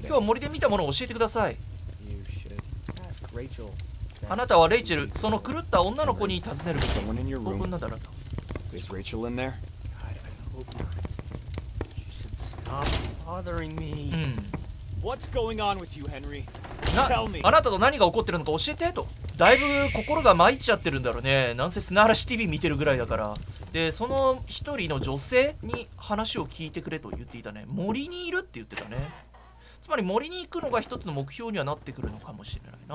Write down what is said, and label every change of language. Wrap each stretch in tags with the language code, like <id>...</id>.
<ja>今日は森で見たものを教えてください。</ja> <en>You should ask Rachel.</en> <ja>あなたはレイチェル、その狂った女の子に尋ねるべき。オープンなだろと。</ja> <en>Is Rachel in there? God, I hope not. You should stop bothering me. What's going on with you, Henry? Tell me.</en> <ja>あなたと何が起こってるのか教えてと。だいぶ心が参っちゃってるんだろうね。なんせ砂嵐 TV 見てるぐらいだから。で、その一人の女性に話を聞いてくれと言っていたね。森にいるって言ってたね。つまり森に行くのが一つの目標にはなってくるのかもしれないな。</ja>